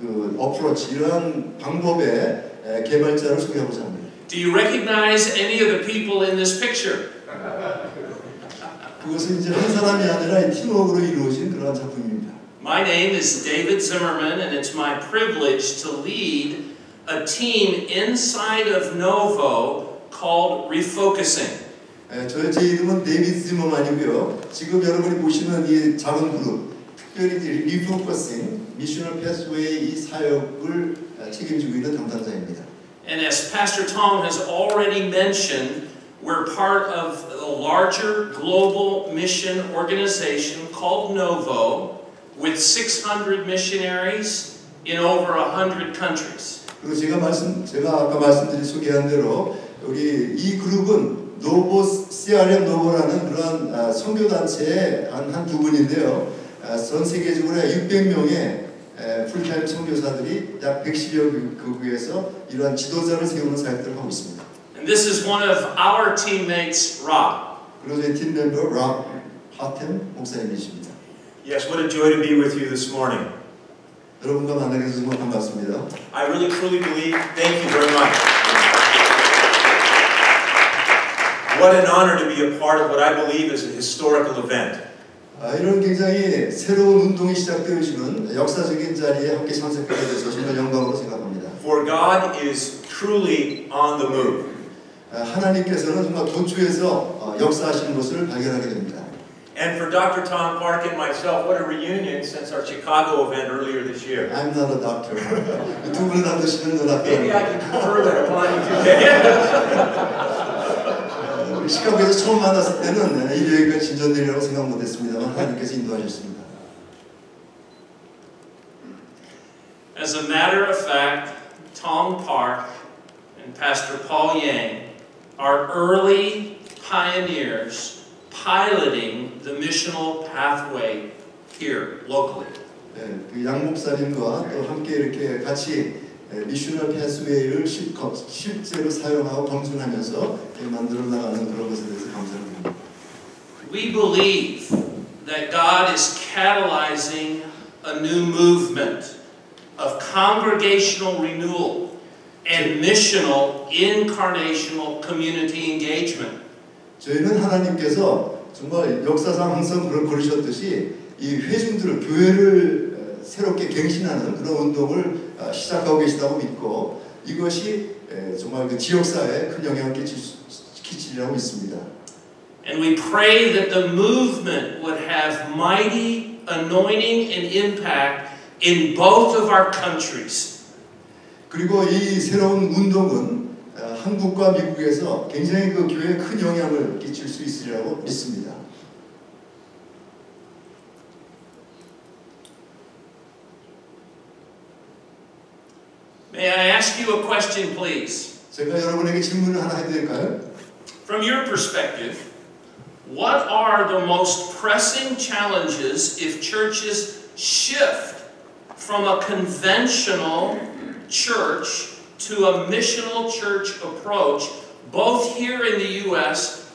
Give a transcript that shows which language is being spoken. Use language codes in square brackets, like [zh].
[ko] 이러한 방법의 개발자를 소개하고자 합니다. [en] Do you recognize any of the people in this picture? [ko] 그것은 이제 한 사람이 아니라 팀워크로 이루어진 그러한 작품입니다. [en] My name is David Zimmerman, and it's my privilege to lead a team inside of Novo. Called refocusing. [ko] 제 이름은 데이비드 지머만이고요. 지금 여러분이 보시는 이 작은 그룹, 특별히 refocusing, missional pathway 이 사역을 책임지고 있는 담당자입니다. [en] And as Pastor Tom has already mentioned, we're part of a larger global mission organization called Novo, with 600 missionaries in over 100 countries. [ko] 그리고 제가 아까 말씀드린 소개한 대로. 우리 이 그룹은 노보 CRM 노보라는 그런 선교 단체의 한 부분인데요. 전 세계적으로 600명의 풀타임 선교사들이 약 110여 국에서 이러한 지도자를 세우는 사역들을 하고 있습니다. [en] And this is one of our teammates, Rob. [ko] 그리고 제 팀 멤버 Rob Hatem 목사님이십니다. [en] Yes, what a joy to be with you this morning. [ko] 여러분과 만나게 돼서 정말 반갑습니다. [en] I really truly believe. Thank you very much. What an honor to be a part of what I believe is a historical event. [ko] 이런 굉장히 새로운 운동이 시작되어지는 역사적인 자리에 함께 참석하게 돼서 정말 영광으로 생각합니다. [en] For God is truly on the move. [ko] 하나님께서는 정말 도초에서 역사하시는 것을 발견하게 됩니다. [en] And for Dr. Tom Park and myself, what a reunion since our Chicago event earlier this year. I'm not a doctor. [ko] 두 분 다 되시는 거 같아요. [en] Maybe I can confer that upon you today. [ko] 시카고에서 처음 만났을 때는 이 계획은 진전되리라고 생각 못했습니다만 하나님께서 인도하셨습니다. [en] As a matter of fact, Tom Park and Pastor Paul Yang are early pioneers piloting the missional pathway here locally. [ko] 네, 그 양 목사님과 또 함께 이렇게 같이 미셔널 패스웨이를 실제로 사용하고 검증하면서 만들어 나가는 그런 것에 대해서 감사드립니다. [en] We believe that God is catalyzing a new movement of congregational renewal and missional incarnational community engagement. [ko] 저희는 하나님께서 정말 역사상 항상 그런 그러셨듯이 이 회중들을 교회를 새롭게 갱신하는 그런 운동을 시작하고 계시다고 믿고 이것이 정말 그 지역사회에 큰 영향을 끼치리라고 믿습니다. [en] And we pray that the movement would have mighty anointing and impact in both of our countries. [ko] 그리고 이 새로운 운동은 한국과 미국에서 굉장히 그 교회에 큰 영향을 끼칠 수 있으리라고 믿습니다. [en] May I ask you a question, please? [ko] 제가 여러분에게 질문을 하나 해도 될까요? [en] From your perspective, what are the most pressing challenges if churches shift from a conventional church to a missional church approach, both here in the U.S.